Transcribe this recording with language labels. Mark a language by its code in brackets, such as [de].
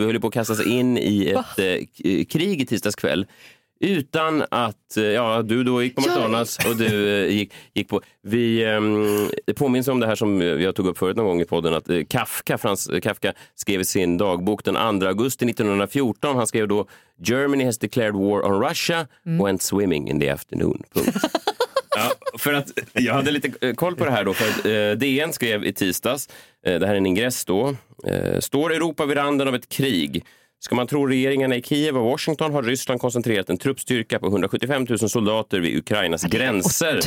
[sv] Vi höll ju på att kastas in i ett krig i tisdags kväll. Utan att, du då gick på McDonald's och du gick på... Vi påminns om det här som jag tog upp förut någon gång i podden, att Kafka skrev sin dagbok den 2 augusti 1914. Han skrev då, [en] Germany has declared war on Russia, went swimming in the afternoon. [sv] Ja, för att jag hade lite koll på det här då, för DN skrev i tisdags, det här är en ingress då, står Europa vid randen av ett krig? Ska man tro regeringarna i Kiev och Washington har Ryssland koncentrerat en truppstyrka på 175 000 soldater vid Ukrainas gränser.